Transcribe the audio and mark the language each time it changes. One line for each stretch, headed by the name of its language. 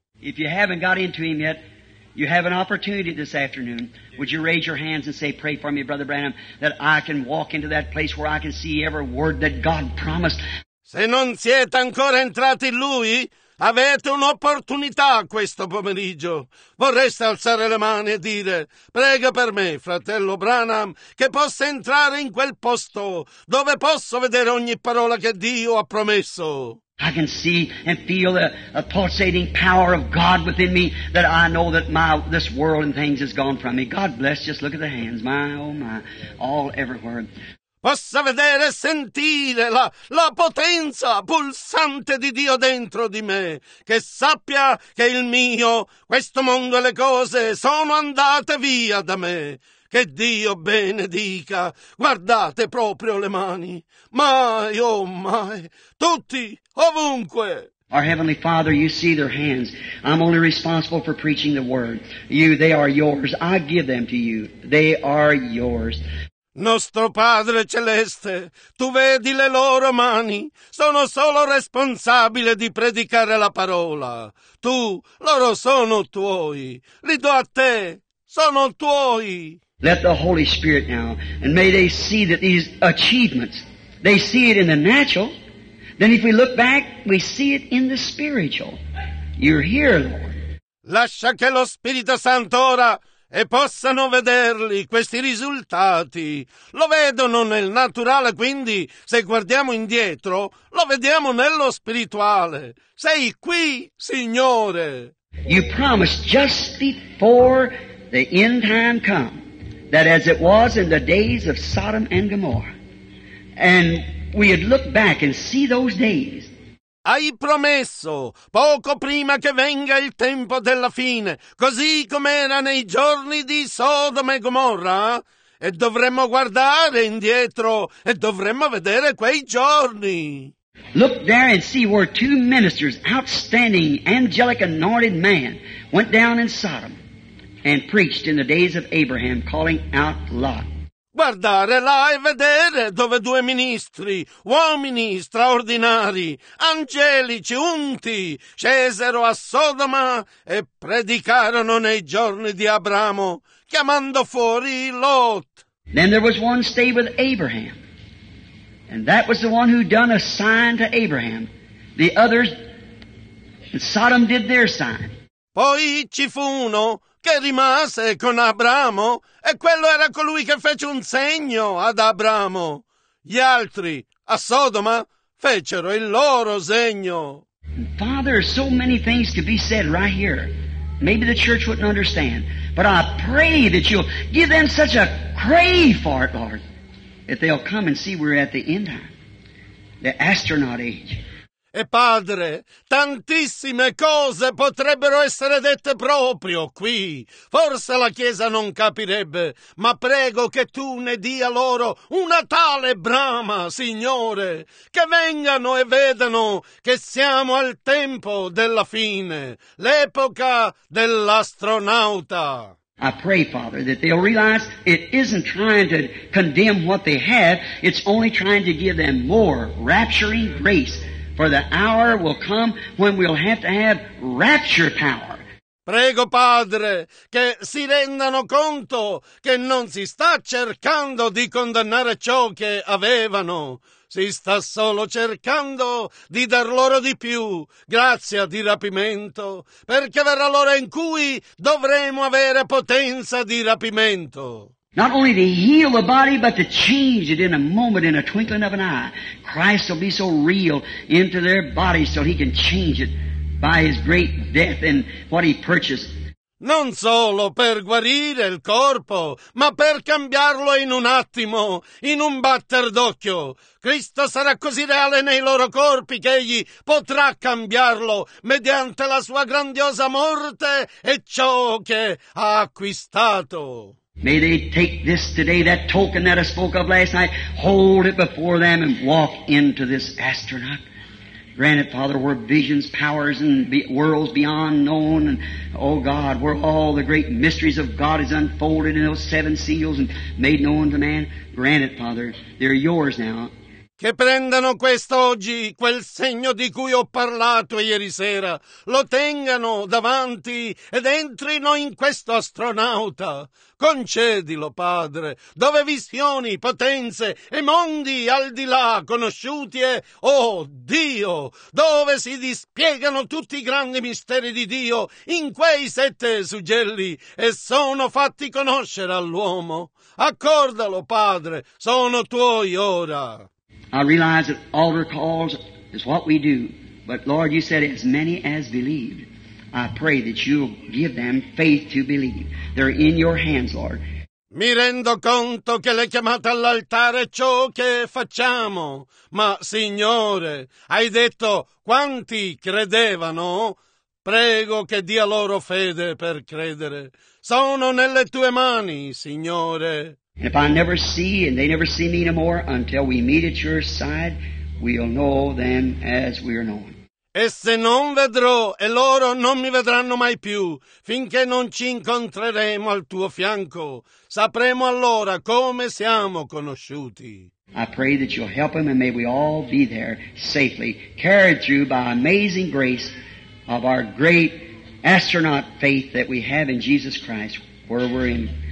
English: If you haven't got into him yet, you have an opportunity this afternoon. Would you raise your hands and say, pray for me, Brother Branham, that I can walk into that place where I can see every word that God promised.
Italian: Se non siete ancora entrati in lui, avete un'opportunità questo pomeriggio. Vorreste alzare le mani e dire, prega per me, fratello Branham, che possa entrare in quel posto dove posso vedere ogni parola che Dio ha promesso.
English: I can see and feel the pulsating power of God within me that I know that this world and things has gone from me. God bless, just look at the hands, my, oh my, all everywhere.
Italian: Possa vedere e sentire la potenza pulsante di Dio dentro di me, che sappia che il mio, questo mondo e le cose sono andate via da me. Che Dio benedica, guardate proprio le mani, mai, oh mai, tutti, ovunque.
English: Our Heavenly Father, you see their hands. I'm only responsible for preaching the word. You, they are yours. I give them to you. They are yours.
Italian: Nostro Padre Celeste, tu vedi le loro mani, sono solo responsabile di predicare la parola. Tu, loro sono tuoi, li do a te, sono tuoi.
English: Let the Holy Spirit now, and may they see that these achievements, they see it in the natural. Then if we look back, we see it in the spiritual. You're here, Lord.
Italian: Lascia che lo Spirito Santo ora e possano vederli questi risultati. Lo vedono nel naturale, quindi se guardiamo indietro, lo vediamo nello spirituale. Sei qui, Signore.
English: You promised just before the end time come. That as it was in the days of Sodom and Gomorrah, and we had looked back and see those days.
Italian: Hai promesso poco prima che venga il tempo della fine, così come era nei giorni di Sodoma e Gomorra, e dovremmo guardare indietro e dovremmo vedere quei giorni.
English: Look there and see where two ministers, outstanding, angelic, anointed man, went down in Sodom and preached in the days of Abraham, calling out Lot.
Italian: Guardare là e vedere dove due ministri, uomini straordinari, angelici, unti, scesero a Sodoma e predicarono nei giorni di Abramo, chiamando fuori Lot.
English: Then there was one stayed with Abraham, and that was the one who done a sign to Abraham. The others, Sodom did their sign.
Italian: Poi ci fu uno che rimase con Abramo, e quello era colui che fece un segno ad Abramo. Gli altri, a Sodoma, fecero il loro segno.
English: Father, so many things could be said right here. Maybe the church wouldn't understand. But I pray that you'll give them such a crave for it, Lord, that they'll come and see we're at the end time, the astronaut age.
Italian: E Padre, tantissime cose potrebbero essere dette proprio qui. Forse la Chiesa non capirebbe, ma prego che Tu ne dia loro una tale brama, Signore, che vengano e vedano che siamo al tempo della fine, l'epoca dell'astronauta.
English: I pray, Father, that they'll realize it isn't trying to condemn what they have, it's only trying to give them more rapturing grace. For the hour will come when we'll have to have rapture power.
Italian: Prego, Padre, che si rendano conto che non si sta cercando di condannare ciò che avevano. Si sta solo cercando di dar loro di più, grazia di rapimento, perché verrà l'ora in cui dovremo avere potenza di rapimento.
English: Not only to heal the body, but to change it in a moment, in a twinkling of an eye. Christ will be so real into their body so He can change it by His great death and what He purchased.
Italian: Non solo per guarire il corpo, ma per cambiarlo in un attimo, in un batter d'occhio. Cristo sarà così reale nei loro corpi che Egli potrà cambiarlo mediante la sua grandiosa morte e ciò che ha acquistato.
English: May they take this today, that token that I spoke of last night, hold it before them and walk into this astronaut. Grant it, Father, where visions, powers, and worlds beyond known, and, oh God, where all the great mysteries of God is unfolded in those seven seals and made known to man. Grant it, Father, they're yours now.
Italian: Che prendano quest'oggi quel segno di cui ho parlato ieri sera, lo tengano davanti ed entrino in questo astronauta. Concedilo, Padre, dove visioni, potenze e mondi al di là conosciuti e, oh Dio, dove si dispiegano tutti i grandi misteri di Dio in quei sette suggelli e sono fatti conoscere all'uomo. Accordalo, Padre, sono tuoi ora.
English: I realize that altar calls is what we do, but Lord, you said as many as believed. I pray that you'll give them faith to believe. They're in your hands, Lord.
Italian: Mi rendo conto che le chiamate all'altare ciò che facciamo, ma Signore, hai detto quanti credevano? Prego che dia loro fede per credere. Sono nelle tue mani, Signore.
English: And if I never see and they never see me anymore until we meet at your side, we'll know them as we are known.
Italian: E se non vedrò e loro non mi vedranno mai più, finché non ci incontreremo al tuo fianco, sapremo allora come siamo conosciuti.
English: I pray that you'll help him and may we all be there safely, carried through by amazing grace of our great astronaut faith that we have in Jesus Christ, where we're in.